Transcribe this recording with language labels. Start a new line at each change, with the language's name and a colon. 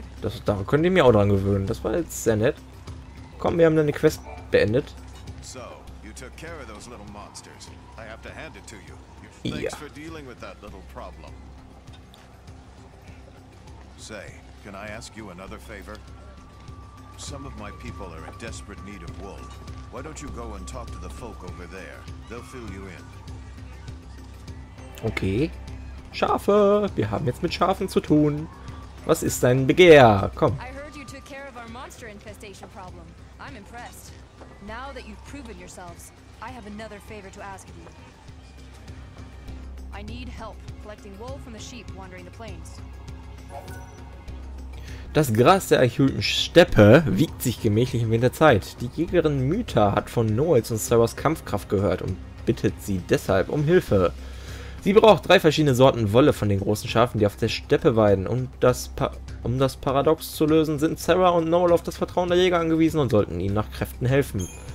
German: Das, da könnt ihr mir auch dran gewöhnen. Das war jetzt sehr nett. Komm, wir haben dann die Quest beendet.
English: So, you took care of those little monsters. I have to hand it to you. Thanks for dealing with that little problem. Say, can I ask you another favor? Some of my people are in desperate need of wool. Why don't you go and talk to the folk over there? They'll fill you in.
German: Okay. Schafe! Wir haben jetzt mit Schafen zu tun. Was ist dein Begehr? Komm.
English: I heard you took care of our monster infestation problem. I'm impressed. Now that you've proven yourselves, I have another favor to ask of you. I need help collecting wool from the sheep wandering the plains.
German: Das Gras der erhöhten Steppe wiegt sich gemächlich im Winterzeit. Die Jägerin Mytha hat von Noels und Sarahs Kampfkraft gehört und bittet sie deshalb um Hilfe. Sie braucht drei verschiedene Sorten Wolle von den großen Schafen, die auf der Steppe weiden. Um das Paradox zu lösen, sind Sarah und Noel auf das Vertrauen der Jäger angewiesen und sollten ihnen nach Kräften helfen.